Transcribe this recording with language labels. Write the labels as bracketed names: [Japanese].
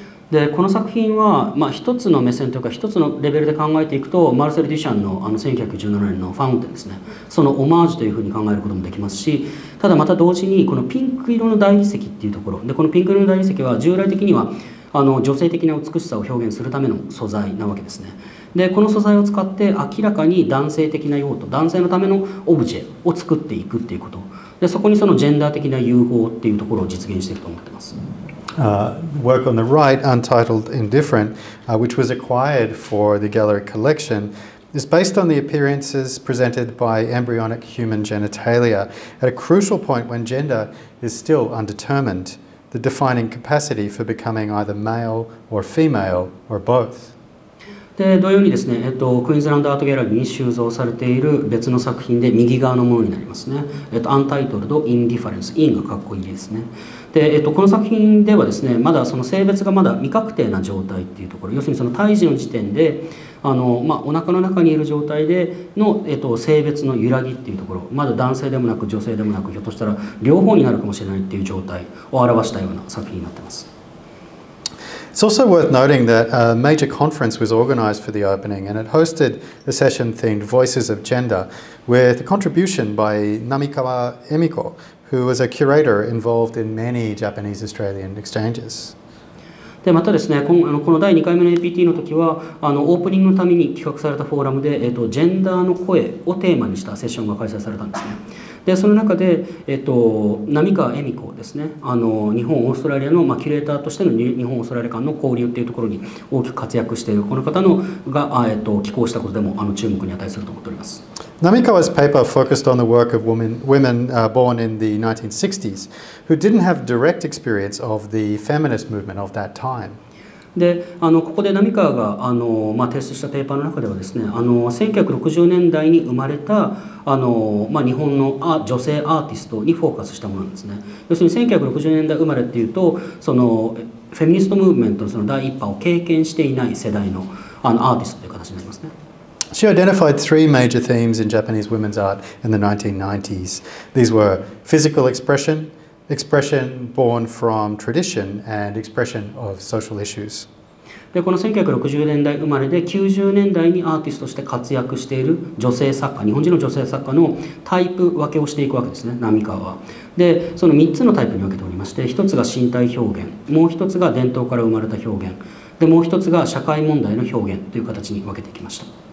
[Japanese] で、この作品は、まあ、一つの目線というか一つのレベルで考えていくと、マルセル・デュシャンの、あの1917年のファウンテンですね、そのオマージュというふうに考えることもできますし、ただまた同時にこのピンク色の大理石っていうところで、このピンク色の大理石は従来的にはあの女性的な美しさを表現するための素材なわけですね。でこの素材を使って明らかに男性的な用途、男性のためのオブジェを作っていくっていうこと、でそこにそのジェンダー的な融合っていうところを実現していくと思ってます。 [English] Work on the right, Untitled Indifferent, which was acquired for the gallery collection, is based on the appearances presented by embryonic human genitalia at a crucial point when gender is still undetermined, the defining capacity for becoming either male or female or both. [Japanese] で同様にですね、クイーンズランドアートギャラリーに収蔵されている別の作品で右側のものになりますね。 Untitled Indifference、インがかっこいいですね。で、この作品ではですね、まだその性別がまだ未確定な状態っていうところ、要するにその胎児の時点で、あの、まあ、お腹の中にいる状態での、性別の揺らぎっていうところ、まだ男性でもなく女性でもなく、ひょっとしたら両方になるかもしれないっていう状態を表したような作品になってます。 [English] It's also worth noting that a major conference was organized for the opening, and it hosted a session themed Voices of Gender with a contribution by Namikawa Emiko, who was a curator involved in many Japanese-Australian exchanges. [Japanese] でまたですね、この第2回目の APT の時はあのオープニングのために企画されたフォーラムで、ジェンダーの声をテーマにしたセッションが開催されたんですね。でその中で、浪川恵美子ですね、あの日本オーストラリアの、まあ、キュレーターとしての日本オーストラリア間の交流っていうところに大きく活躍しているこの方のが、寄稿したことでもあの注目に値すると思っております。 [English] Namikawa's paper focused on the work of women born in the 1960s who didn't have direct experience of the feminist movement of that time. [Japanese] で、あのここで浪川があの、まあ、提出したペーパーの中ではですね、あの1960年代に生まれたあの、まあ、日本の女性アーティストにフォーカスしたものなんですね。要するに1960年代生まれっていうと、そのフェミニストムーブメントの、その第一波を経験していない世代の、あのアーティストという形になりますね。 [English] She identified three major themes in Japanese women's art in the 1990s. These were physical expression, expression born from tradition, and expression of social issues. [Japanese] で、この1960年代生まれで90年代にアーティストとして活躍している女性作家、日本人の女性作家のタイプ分けをしていくわけですね、浪川は。で、その3つのタイプに分けておりまして、1つが身体表現、もう1つが伝統から生まれた表現、で、もう1つが社会問題の表現という形に分けていきました。